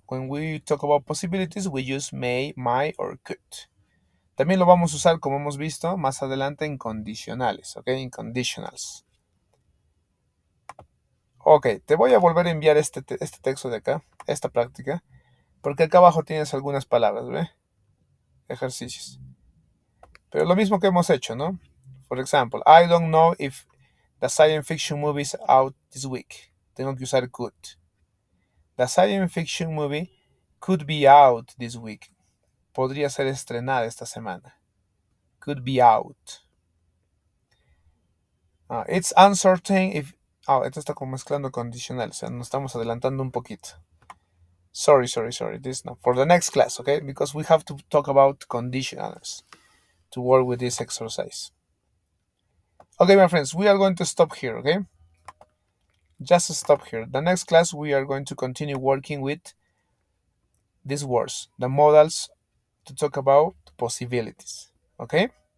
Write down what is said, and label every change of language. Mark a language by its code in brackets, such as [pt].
[en] When we talk about possibilities, we use may, might, or could. [es] También lo vamos a usar, como hemos visto, más adelante en condicionales, okay? [en] In conditionals. [es] Ok, te voy a volver a enviar este texto de acá, esta práctica, porque acá abajo tienes algunas palabras, ¿ve? Ejercicios. Pero lo mismo que hemos hecho, ¿no? [en] For example, I don't know if the science fiction movie is out this week. [es] Tengo que usar [en] could. The science fiction movie could be out this week. [es] Podría ser estrenada esta semana. [en] Could be out. It's uncertain if. [es] Ah, esto está como mezclando condicional, o sea, nos estamos adelantando un poquito. [en] Sorry. This is not for the next class, okay? Because we have to talk about conditionals to work with this exercise. Okay, my friends, we are going to stop here, okay? Just stop here. The next class, we are going to continue working with these words, the modals to talk about possibilities, okay?